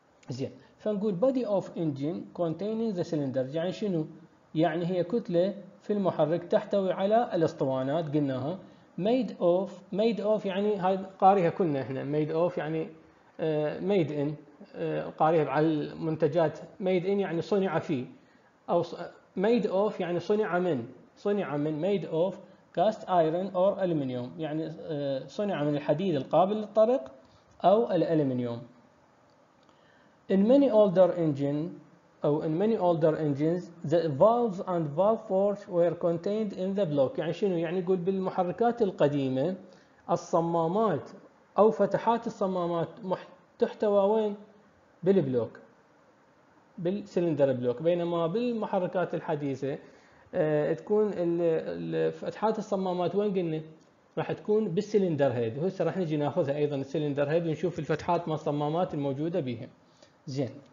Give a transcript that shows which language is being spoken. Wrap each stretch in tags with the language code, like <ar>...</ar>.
<ar>زين، فنقول</ar> <en>body of engine containing the cylinders،</en> <ar>يعني شنو؟ يعني هي كتلة في المحرك تحتوي على الاسطوانات قلناها، made of يعني هاي قاريها كلنا احنا، made of يعني made in، قاريها على المنتجات، made in يعني صنع فيه، او made of يعني صنع من</ar> <en>made of cast iron or aluminium،</en> <ar>يعني صنع من الحديد القابل للطرق او الالمنيوم.</ar> <en>In many older engine, or in many older engines, the valves and valve forge were contained in the block.</en> <ar>يعني شنو؟ يعني يقول بالمحركات القديمة الصمامات أو فتحات الصمامات تحتوى وين؟ بالبلوك. بالسلندر بلوك، بينما بالمحركات الحديثة تكون فتحات الصمامات وين قلنا؟ راح تكون بالسلندر هيد، وهسه راح نجي ناخذها ايضا السلندر هيد ونشوف الفتحات مال الصمامات الموجوده بها. زين.</ar>